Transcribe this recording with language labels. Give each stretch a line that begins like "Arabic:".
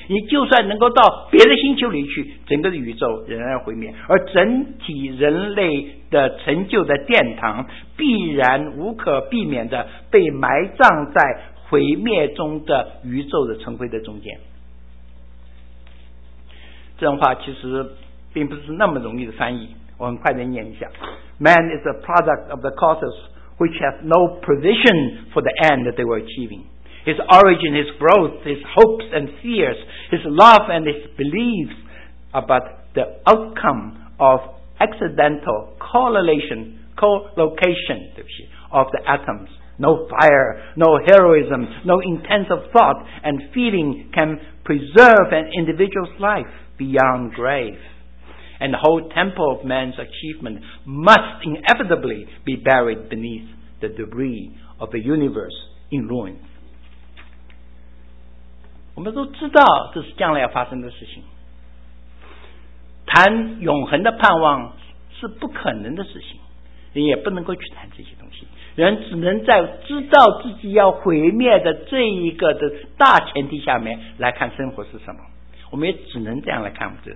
Chinese: 你就算能够到别的星球里去，整个宇宙仍然毁灭，而整体人类的成就的殿堂必然无可避免的被埋葬在毁灭中的宇宙的成灰的中间。这种话其实并不是那么容易的翻译，我很快的念一下。
English: Man is a product of the causes which have no provision for the end that they were achieving. His origin, his growth, his hopes and fears, his love and his beliefs are but the outcome of accidental collocation of the atoms. No fire, no heroism, no intensive thought and feeling can preserve an individual's life beyond grave, and the whole temple of man's achievement must inevitably be buried beneath the debris of the universe in ruins.
Chinese: 我们都知道这是将来要发生的事情，谈永恒的盼望是不可能的事情，人也不能够去谈这些东西，人只能在知道自己要毁灭的这一个的大前提下面来看生活是什么，我们也只能这样来看。